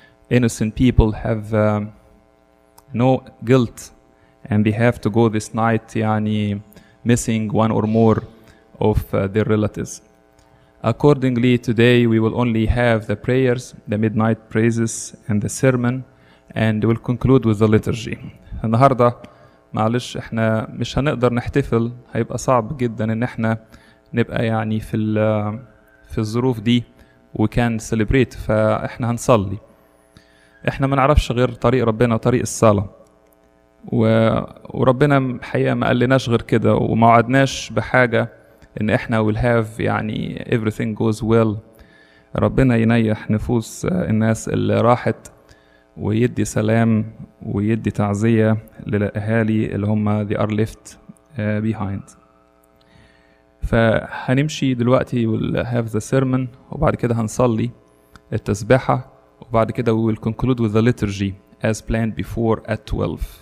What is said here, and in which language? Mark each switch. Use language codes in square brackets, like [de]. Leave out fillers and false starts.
[en] Innocent people have no guilt and they have to go this night يعني missing one or more of their relatives. Accordingly, today we will only have the prayers, the midnight praises, and the sermon, and we'll conclude with the liturgy. [ar] النهاردة معلش احنا مش هنقدر نحتفل، هيبقى صعب جدا ان احنا نبقى يعني في الظروف دي [en] we can celebrate، [ar] فاحنا هنصلي. احنا ما نعرفش غير طريق ربنا وطريق الصلاة. وربنا حقيقة ما قالناش غير كده وما وعدناش بحاجة ان احنا [en] will have [ar] يعني [en] everything goes well. [ar] ربنا ينيح نفوس الناس اللي راحت ويدي سلام ويدي تعزية للأهالي اللي هم [en] they are left behind. [ar] فهنمشي دلوقتي [en] will have the sermon [ar] وبعد كده هنصلي التسبحة وبعد كده [en] we will conclude with the liturgy as planned before at 12.